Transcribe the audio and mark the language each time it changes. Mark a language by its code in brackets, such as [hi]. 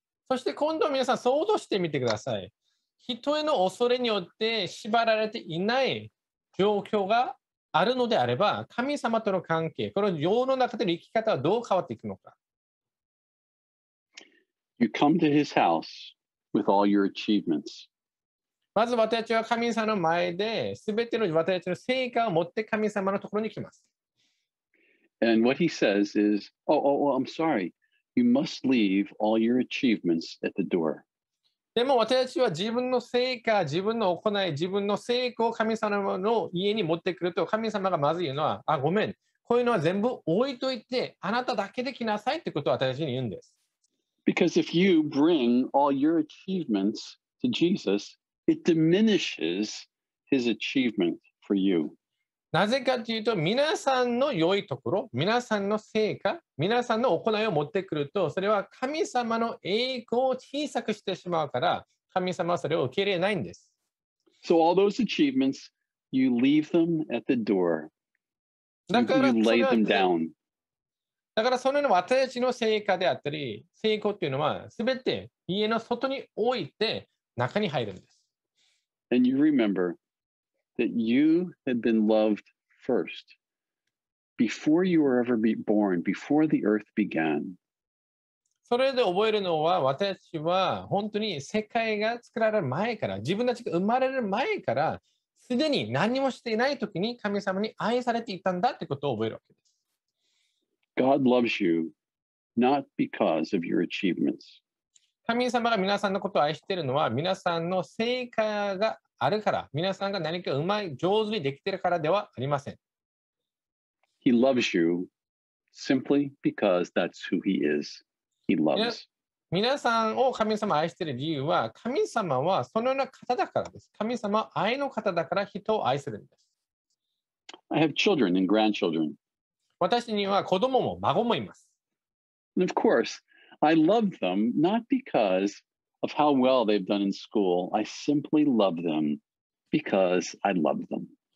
[ja] そして今度は皆さん想像してみてください。人への恐れによって縛られていない状況があるのであれば、神様との関係、この世の中での生き方はどう変わっていくのか。 [en] You come to his house with all your achievements. [ja] まず私たちは神様の前で全ての私たちの成果を持って神様のところに来ます。 [en] And what he says is, oh, I'm sorry, you must leave all your achievements at the door. [ja] でも私たちは自分の成果、自分の行い、自分の成功を神様の家に持ってくると神様がまず言うのは、あ、ごめん、こういうのは全部置いといて、あなただけで来なさいってことを私たちに言うんです。 [en] Because if you bring all your achievements to Jesus, it diminishes his achievement for you. [ja] なぜかというと、皆さんの良いところ、皆さんの成果、皆さんの行いを持ってくると、それは神様の栄光を小さくしてしまうから、神様はそれを受け入れないんです。 [en] So all those achievements, you leave them at the door. You lay them down. [ja] だからそのような私たちの成果であったり成功というのは全て家の外に置いて中に入るんです。 [en] And you remember that you had been loved first before you were ever born, before the earth began. [ja] それで覚えるのは私たちは本当に世界が作られる前から自分たちが生まれる前からすでに何もしていない時に神様に愛されていたんだということを覚えるわけです。 [en] God loves you not because of your achievements. [ja] 神様が皆さんのことを愛しているのは皆さんの成果があるから、皆さんが何かうまい、上手にできているからではありません。 [en] He loves you simply because that's who he is. He loves. [ja] 皆さんを神様愛している理由は、神様はそのような方だからです。神様は愛の方だから人を愛するんです。 [en] I have children and grandchildren. [ja] 私には子供も孫もいます。 [en] Of course, I love them not because of how well they've done in school. I simply love them because I love them.